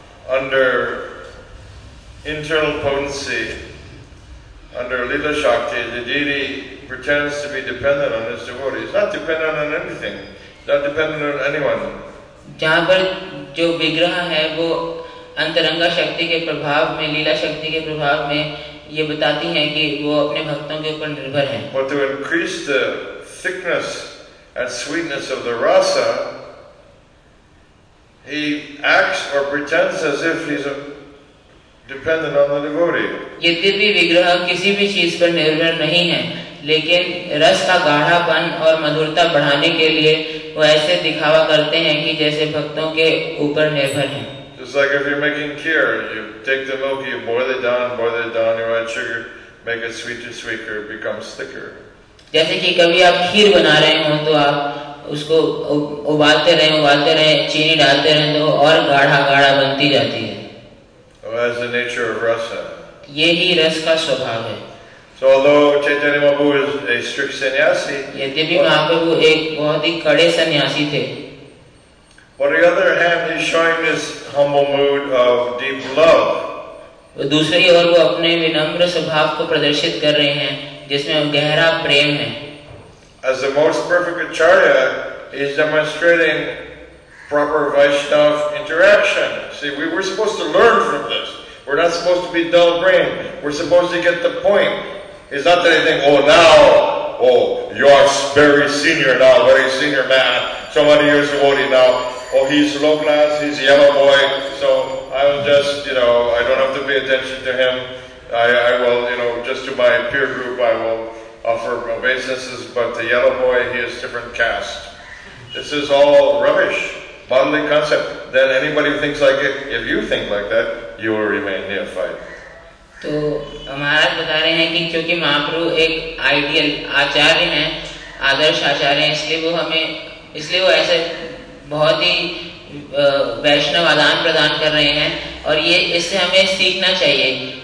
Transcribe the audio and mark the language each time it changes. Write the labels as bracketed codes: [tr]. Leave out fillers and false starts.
[en] Under internal potency, under Lila Shakti, the deity pretends to be dependent on his devotee. He's not dependent on anything. Not dependent on anyone. [hi] जहाँ पर जो विग्रह है वो अंतरंगा शक्ति के प्रभाव में, लीला शक्ति के प्रभाव में ये बताती हैं कि वो अपने भक्तों के ऊपर निर्भर हैं. [en] But to increase the thickness and sweetness of the rasa. He acts or pretends as if he's dependent on the devotee. [hi] यद्यपि विग्रह किसी भी चीज पर निर्भर नहीं है, लेकिन रस का गाढ़ापन और मधुरता बढ़ाने के लिए वो ऐसे दिखावा करते हैं कि जैसे भक्तों के ऊपर निर्भर हैं. [en] Just like if you're making kheer, you take the milk, you boil it down, you add sugar, make it sweeter, sweeter, it becomes thicker. [hi] जैसे कि कभी आप खीर बना रहे हो तो आप उसको उबालते रहे, चीनी डालते रहे, तो और गाढ़ा गाढ़ा बनती जाती है. [en] As the nature of rasa. [hi] ये ही रस का स्वभाव है. [en] So although Chaitanya Mahaprabhu is a strict sannyasi. [hi] यद्यपि महाप्रभु एक बहुत ही कड़े सन्यासी थे. [en] On the other hand, he's showing this humble mood of deep love. [hi] दूसरी ओर वो अपने विनम्र स्वभाव को प्रदर्शित कर रहे हैं, जिसमें गहरा प्रेम है. [en] As the most perfect acharya, he is demonstrating proper Vaishnav interaction. See, we were supposed to learn from this. We're not supposed to be dull brain. We're supposed to get the point. It's not that I think, oh, now, oh, you are very senior now, very senior man, so many years of devotee now. Oh, he's low class, he's a yellow boy, so I'll just, you know, I don't have to pay attention to him. I will, you know, just to my peer group, I will offer obeisances, but the yellow boy, he is different caste. This is all rubbish, bodily concept. Then anybody who thinks like it, if you think like that, you will remain neophyte. [hi] तो महाराज बता रहे हैं कि क्योंकि महाप्रभु एक ideal आचार्य हैं, आदर्श आचार्य हैं, इसलिए वो ऐसे बहुत ही वैष्णव आदान प्रदान कर रहे हैं, और ये इससे हमें सीखना चाहिए.